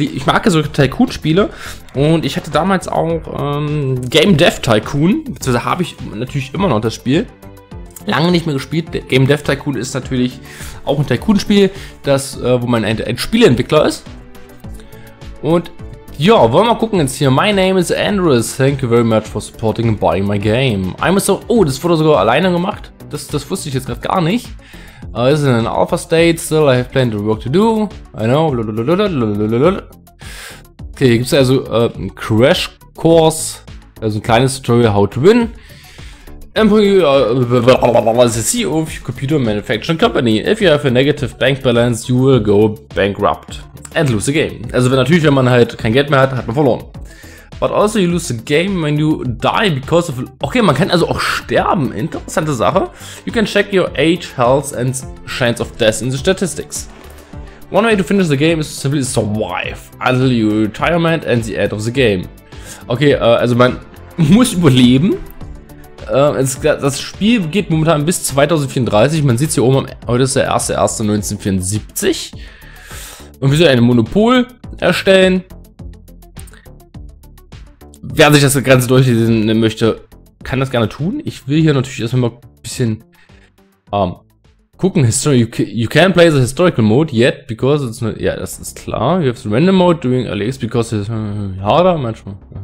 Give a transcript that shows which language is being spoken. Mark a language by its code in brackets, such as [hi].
[de] Ich mag so Tycoon-Spiele. Und ich hatte damals auch Game Dev Tycoon. Beziehungsweise habe ich natürlich immer noch das Spiel. Lange nicht mehr gespielt. Game Dev Tycoon ist natürlich auch ein Tycoon-Spiel, wo man ein Spieleentwickler ist. Und ja, wollen wir mal gucken jetzt hier. [en] My name is Andres. Thank you very much for supporting and buying my game. [de] Das wurde sogar alleine gemacht. Das wusste ich jetzt gerade gar nicht. [en] Is in an alpha state, still I have plenty of work to do. I know. [de] Okay, hier gibt es also einen Crash Course. Also ein kleines Tutorial, [en] how to win. Employee CEO of your computer manufacturing company. If you have a negative bank balance, you will go bankrupt. And lose the game. [de] Also wenn man halt kein Geld mehr hat, hat man verloren. [en] But also you lose the game when you die because of... Okay, [de] man kann also auch sterben. Interessante Sache. [en] You can check your age, health and chance of death in the statistics. One way to finish the game is to simply survive until your retirement and the end of the game. [de] Okay, also man muss überleben. Das Spiel geht momentan bis 2034. Man sieht es hier oben. Heute ist der 1.1.1974. Und wir sollen ein Monopol erstellen. Wer sich das Ganze durchlesen möchte, kann das gerne tun. Ich will hier natürlich erstmal mal ein bisschen gucken. [en] History, you can play the historical mode yet, because it's not... [de] Ja, das ist klar. [en] You have the random mode doing LX because it's harder manchmal.